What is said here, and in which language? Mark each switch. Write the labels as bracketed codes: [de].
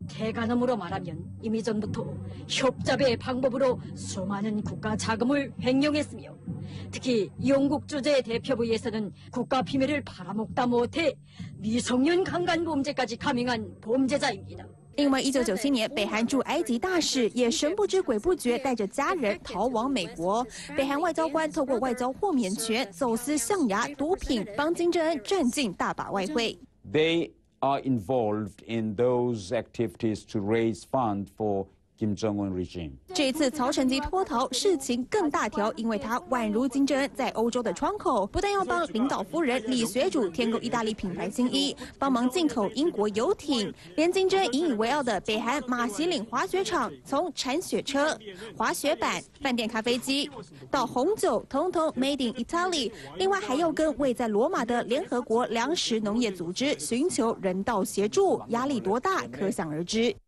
[ko] 대가넘으로말하면이미전부터협잡의방법으로수많은국가자금을횡령했으며특히영국주재대표부에서는국가비밀을팔아먹다못해미성년강간범죄까지가밍한범죄자입니다 [zh] 另外1997年北韩驻埃及大使也神不知鬼不觉带着家人逃往美国北韩外交官透过外交豁免权走私象牙毒品帮金正恩赚进大把外汇 [en] They are involved in those activities to raise funds for金正恩 regime [zh] 这次曹承吉脱逃事情更大条因为他宛如金正恩在欧洲的窗口不但要帮领导夫人李学主添购意大利品牌新衣帮忙进口英国游艇连金正恩引以为傲的北韩马西岭滑雪场从铲雪车滑雪板饭店咖啡机到红酒统统 [en] made in Italy [zh] 另外还要跟位在罗马的联合国粮食农业组织寻求人道协助压力多大可想而知